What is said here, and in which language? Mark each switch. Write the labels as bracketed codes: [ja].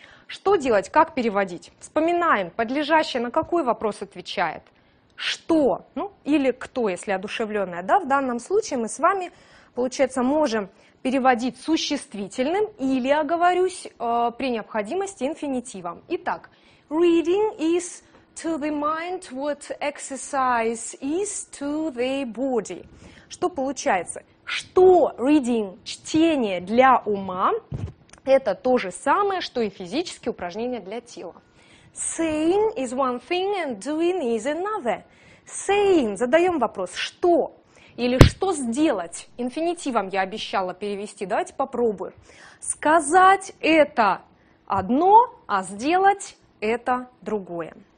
[ru] Что делать, как переводить? Вспоминаем, подлежащее на какой вопрос отвечает? Что? Ну, или кто, если одушевленное, да, в данном случае мы с вами, получается, можем переводить существительным или, оговорюсь, при необходимости инфинитивом. [en] Итак, reading is to the mind what exercise is to the body. [ru] Что получается? Что reading, чтение для ума, это то же самое, что и физические упражнения для тела. [en] Saying is one thing and doing is another. [ru] Saying, задаем вопрос, что или что сделать. Инфинитивом я обещала перевести, давайте попробуем. Сказать это одно, а сделать это другое.